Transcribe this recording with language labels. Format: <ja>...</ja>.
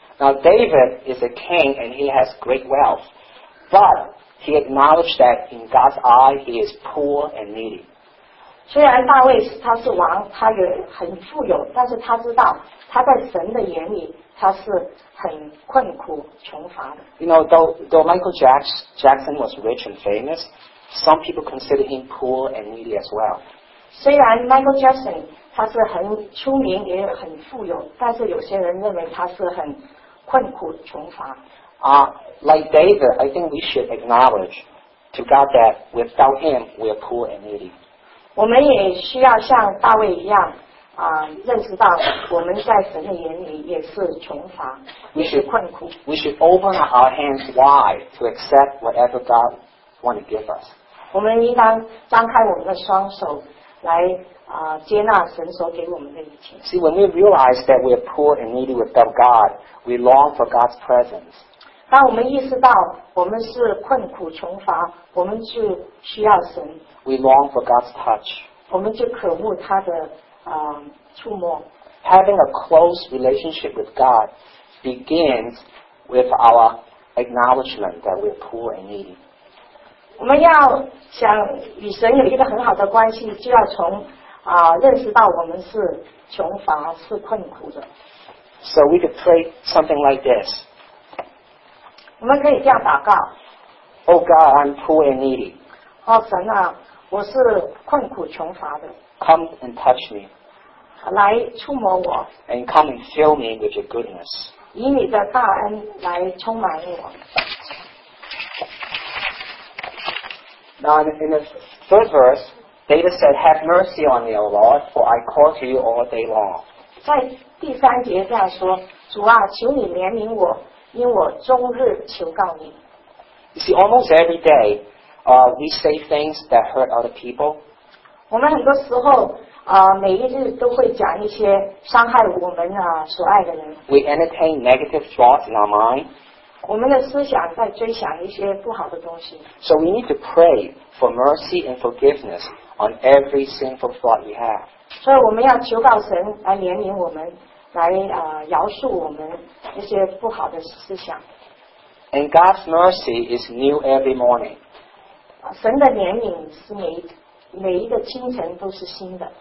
<en>Now David is a king and he has great wealth. But he acknowledged that in God's eye, he is poor and needy.</en> <zh>虽然大卫他是王，他也很富有，但是他知道他在神的眼里他是很困苦穷乏的。</zh> <en>You know, though Michael Jackson was rich and famous, some people consider him poor and needy as well.</en> <zh>虽然 Michael Jackson 他是很出名也很富有，但是有些人认为他是很困苦穷乏。</zh> <en>Like David, I think we should acknowledge to God that without him, we are poor and needy.</en> <zh>我们也需要像大卫一样认识到我们在神的眼里也是穷乏，也是困苦。</zh> <en>We should open our hands wide to accept whatever God wants to give us.</en> <zh>我们应当张开我们的双手来接纳神所给我们的一切。</zh> <en>See, when we realize that we are poor and needy without God, we long for God's presence.</en> <zh>当我们意识到我们是困苦穷乏，我们就需要神。</zh> <en>We long for God's touch.</en> <zh>我们就渴慕他的触摸。</zh> <en>Having a close relationship with God begins with our acknowledgement that we're poor and needy.</en> <zh>我们要想与神有一个很好的关系，就要从认识到我们是穷乏，是困苦的。</zh> <en>So we could pray something like this.</en> <zh>我们可以这样祷告。</zh> <en>Oh God, I'm poor and needy.</en> <zh>哦，神啊，我是困苦穷乏的。</zh> <en>Come and touch me.</en> <zh>来触摸我。</zh> <en>And come and fill me with your goodness.</en> <zh>以你的大恩来充满我。</zh> <en>Now in the third verse, David said, "Have mercy on me, O Lord, for I call to you all day long."</en> <zh>在第三节这样说，主啊，求你怜悯我，因我终日求告你。</zh> <en>You see, almost every day, we say things that hurt other people.</en> <zh>我们很多时候每一日都会讲一些伤害我们所爱的人。</zh> <en>We entertain negative thoughts in our mind.</en> <zh>我们的思想在追想一些不好的东西。</zh> <en>So we need to pray for mercy and forgiveness on every sinful thought we have.</en> <zh>所以我们要求告神来怜悯我们，来饶恕我们一些不好的思想。</zh> <en>And God's mercy is new every morning.</en> <zh>神的怜悯是每一个清晨都是新的。</zh>